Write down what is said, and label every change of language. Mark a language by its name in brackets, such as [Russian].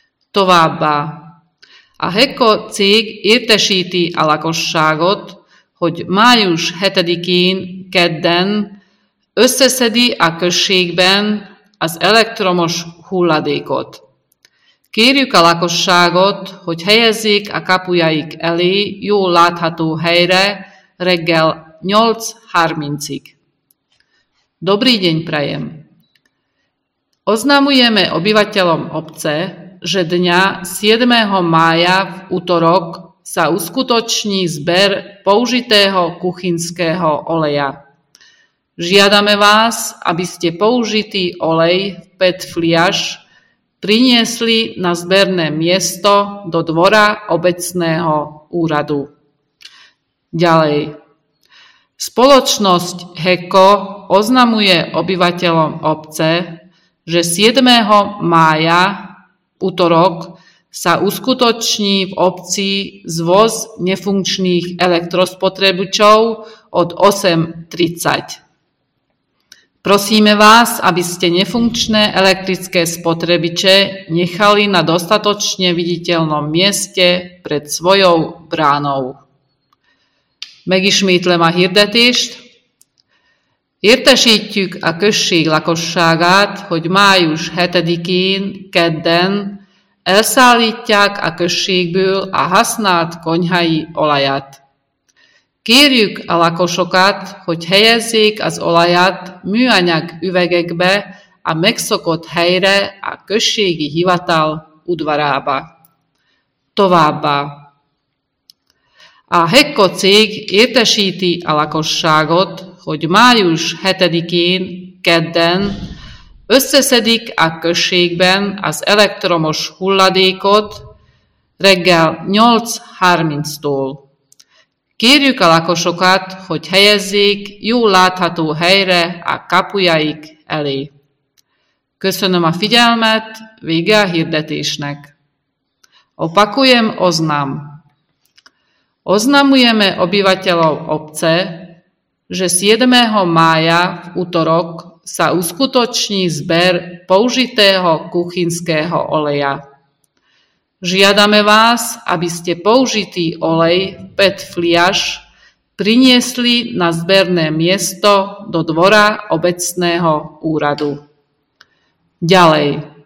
[Hungarian] Továbbá a HECO cég értesíti a lakosságot, hogy május 7-én, kedden összeszedi a községben az elektromos hulladékot. Kérjük a lakosságot, hogy helyezzék a kapujaik elé jól látható helyre reggel 8:30-ig. [Slovak] Dobrý deň prajem! Oznamujeme obyvateľom obce, že dňa 7. mája v útorok sa uskutoční zber použitého kuchynského oleja. Žiadame vás, aby ste použitý olej PET fliaš priniesli na zberné miesto do dvora obecného úradu. Ďalej. Spoločnosť HECO oznamuje obyvateľom obce, že 7. mája útorok sa uskutoční v obci zvoz nefunkčných elektrospotrebičov od 8:30. Prosíme vás, aby ste nefunkčné elektrické spotrebiče nechali na dostatočne viditeľnom mieste pred svojou bránou. [Hungarian] Megismétlem a hirdetést. Értesítjük a község lakosságát, hogy május 7-én, kedden elszállítják a községből a használt konyhai olajat. Kérjük a lakosokat, hogy helyezzék az olajat műanyag üvegekbe a megszokott helyre a községi hivatal udvarába. Továbbá. A HECO cég értesíti a lakosságot, hogy május 7-én, kedden összeszedik a községben az elektromos hulladékot reggel 8:30-tól. Kérjük a lakosokat, hogy helyezzék jól látható helyre a kapujaik elé. Köszönöm a figyelmet, vége a hirdetésnek. [Slovak] Opakujem oznam. Oznamujeme obyvateľov obce, že 7. mája v útorok sa uskutoční zber použitého kuchynského oleja. Žiadame vás, aby ste použitý olej PET fliaš priniesli na zberné miesto do dvora obecného úradu. Ďalej.